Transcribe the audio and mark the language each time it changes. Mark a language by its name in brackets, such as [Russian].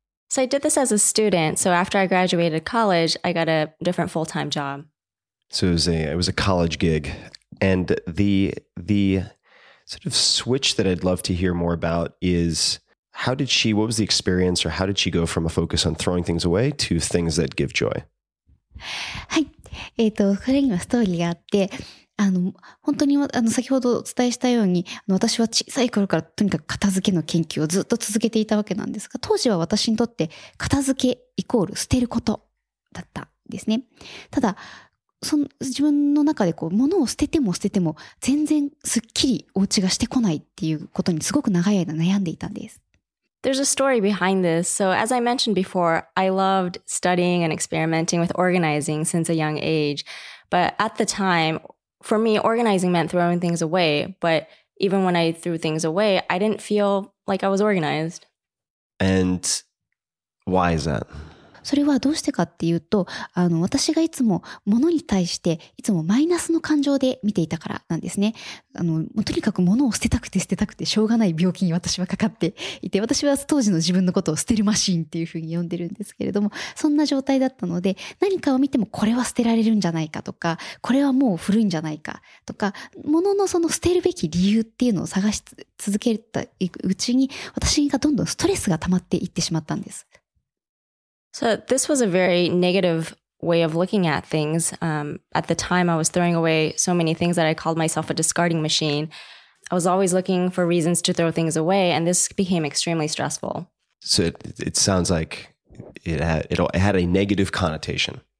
[English] So I did this as a student. So after I graduated college, I got a different full-time job. So it was a college gig. And the sort of switch that I'd love to hear more about is... How did she, what was the experience, or how did she go from a focus on throwing things away to things that give joy? [Japanese] はい。これにはストーリーがあって、本当に先ほどお伝えしたように、私は小さい頃からとにかく片付けの研究をずっと続けていたわけなんですが、当時は私にとって片付けイコール捨てることだったんですね。ただ、その自分の中でこう物を捨てても捨てても全然すっきりお家がしてこないっていうことにすごく長い間悩んでいたんです。 [English] There's a story behind this. So as I mentioned before, I loved studying and experimenting with organizing since a young age. But at the time, for me, organizing meant throwing things away. But even when I threw things away, I didn't feel like I was organized. And why is that? [Japanese] それはどうしてかっていうと、私がいつも物に対していつもマイナスの感情で見ていたからなんですね。とにかく物を捨てたくて捨てたくてしょうがない病気に私はかかっていて、私は当時の自分のことを捨てるマシーンっていうふうに呼んでるんですけれども、そんな状態だったので、何かを見てもこれは捨てられるんじゃないかとか、これはもう古いんじゃないかとか、物のその捨てるべき理由っていうのを探し続けたうちに、私がどんどんストレスが溜まっていってしまったんです。 [English] So this was a very negative way of looking at things. At the time, I was throwing away so many things that I called myself a discarding machine. I was always looking for reasons to throw things away, and this became extremely stressful. So it sounds like it had a negative connotation.